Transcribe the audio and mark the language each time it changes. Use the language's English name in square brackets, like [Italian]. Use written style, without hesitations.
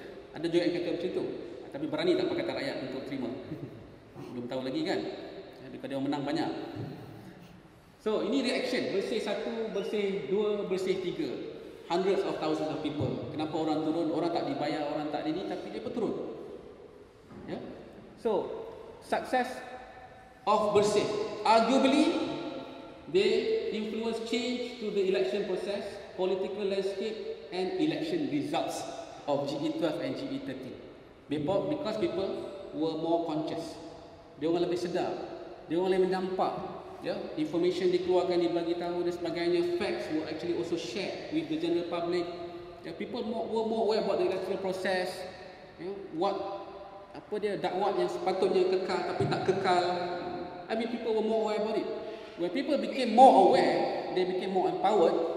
[Malay] Ada juga yang kata macam itu. Tapi berani tak pakai rakyat untuk terima. Belum tahu lagi kan? Daripada yang menang banyak. [English] So, [Malay] ini [English] reaction. [Malay] Bersih satu, bersih dua, bersih tiga. [English] Hundreds of thousands of people. [Malay] Kenapa orang turun? Orang tak dibayar, orang tak ini, tapi dia pun turun. Yeah? [English] So, success of bersih. Arguably, they influence change to the election process, political landscape and election results of GE12 and GE13. Because people were more conscious. [Malay] Dia orang lebih sedar. Dia orang lebih nampak. Yeah? Information dikeluarkan, dibagi tahu dan sebagainya. [English] Facts were actually also shared with the general public. Yeah, people were more aware about the electoral process. Yeah? [Malay] What apa dia dakwah yang sepatutnya kekal tapi tak kekal. [English] I mean, people were more aware about it. When people became more aware, they became more empowered.